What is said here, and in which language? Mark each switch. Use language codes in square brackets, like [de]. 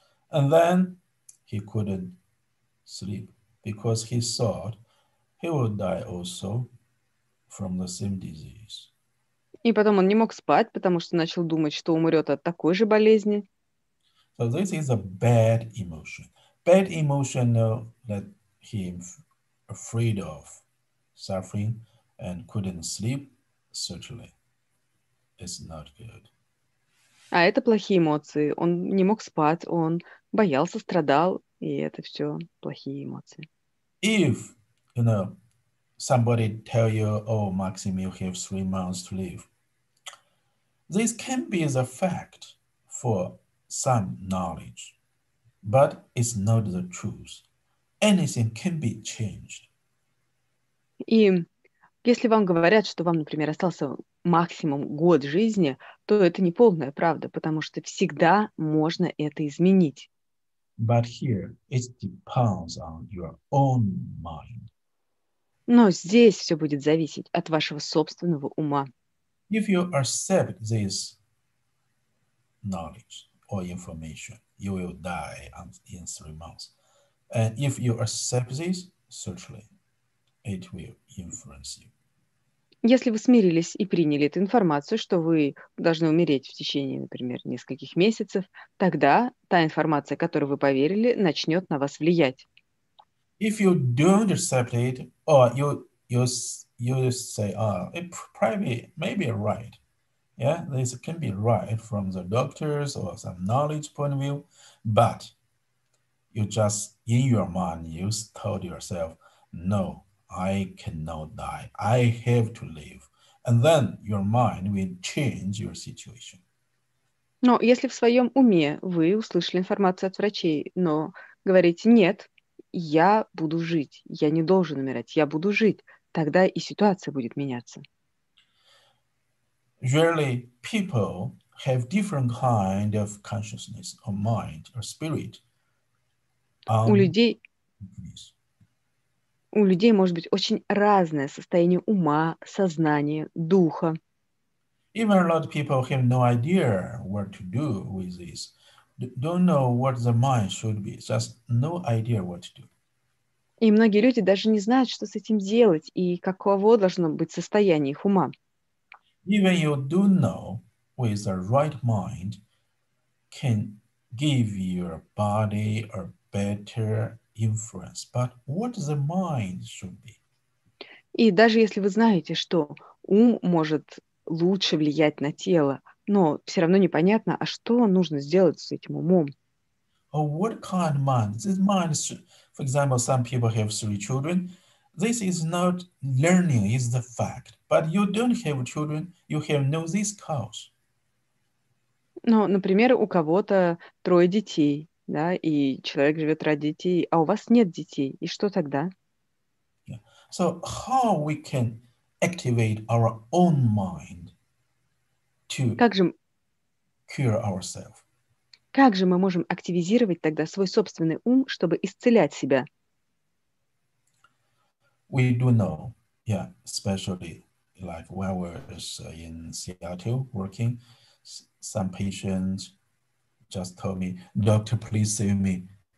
[en] And then he couldn't sleep because he thought he would die also from the same disease. [ru] И потом он не мог спать, потому что начал думать, что умрет от такой же болезни. [en] So this is a bad emotion. Bad emotion that he afraid of suffering and couldn't sleep, certainly is not good. [ru] А это плохие эмоции. Он не мог спать, он боялся, страдал, и это все плохие эмоции. [en] If somebody tell you, "Oh, Maxim, you have 3 months to live," this can be the fact for some knowledge, but it's not the truth. Anything can be changed. [ru] И если вам говорят, что вам, например, остался максимум год жизни, то это не полная правда, потому что всегда можно это изменить. [en] But here it depends on your own mind. [ru] Но здесь все будет зависеть от вашего собственного ума. [en] If you accept this knowledge or information, you will die in 3 months. And if you accept this, certainly it will influence you. [ru] Если вы смирились и приняли эту информацию, что вы должны умереть в течение, например, нескольких месяцев, тогда та информация, которой вы поверили, начнет на вас влиять. [en] If you don't accept it, or you say, it probably may be right. Yeah, this can be right from the doctor's or some knowledge point of view, but you just in your mind, you told yourself, no, I cannot die. I have to live. And then your mind will change your situation. [ru] Но если в своем уме вы услышали информацию от врачей, но говорите «нет, я буду жить, я не должен умирать, я буду жить», тогда и ситуация будет меняться. [en] Usually, people have different kind of consciousness or mind or spirit. [ru] У людей У людей может быть очень разное состояние ума, сознания, духа. [en] Even a lot of people have no idea what to do with this. Don't know what the mind should be. Just no idea what to do. [ru] И многие люди даже не знают, что с этим делать и каково должно быть состояние их ума. [en] Even you do know with the right mind can give your body a better influence. But what the mind should be? [ru] И даже если вы знаете, что ум может лучше влиять на тело, но все равно непонятно, а что нужно сделать с этим умом? [en] Oh, what kind of mind? This mind, for example, some people have three children. This is not learning, it's the fact. But you don't have children, you have no this cause. [ru] Ну, например, у кого-то трое детей, да, и человек живет ради детей, а у вас нет детей, и что тогда? [en] Yeah. So how we can activate our own mind to cure ourselves? [ru] Как же мы можем активизировать тогда свой собственный ум, чтобы исцелять себя? [en] We do know, yeah, especially like when we were in Seattle working, some patients just told me, "Doctor, please save me.